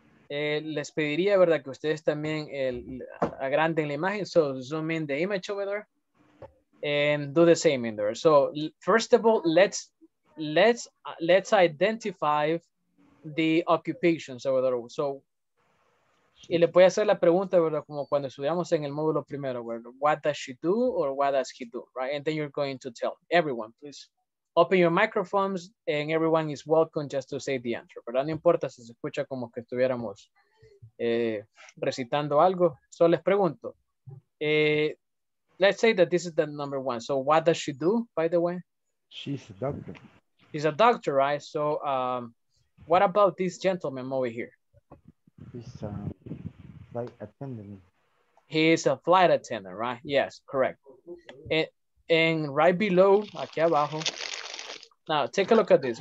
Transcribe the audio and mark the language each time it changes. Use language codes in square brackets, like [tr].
[es] Les pediría, ¿verdad?, que ustedes también agranden la imagen. [en] So, zoom in the image over there and do the same in there. So, first of all, let's identify the occupations over there. [es] So, y le voy a hacer la pregunta, ¿verdad?, como cuando estudiamos en el módulo primero, ¿verdad? [en] What does she do or what does he do, right? And then you're going to tell everyone, please. Open your microphones and everyone is welcome just to say the answer. [es] Pero no importa si se escucha como que estuviéramos recitando algo. So les pregunto. [en] Let's say that this is the number one. So what does she do, by the way? She's a doctor. She's a doctor, right? So what about this gentleman over here? He's a flight attendant. He is a flight attendant, right? Yes, correct. And right below, [es] aquí abajo, [en] now, take a look at this.